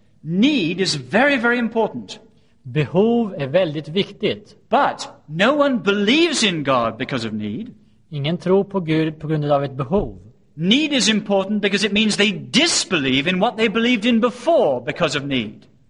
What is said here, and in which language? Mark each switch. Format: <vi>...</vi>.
<en>Need is very, very important.</en> <sv>Behov är väldigt viktigt.</sv> <en>But no one believes in God because of need.</en> <sv>Ingen tror på Gud på grund av ett behov.</sv> <en>Need is important because it means they disbelieve in what they believed in before because of need.</en>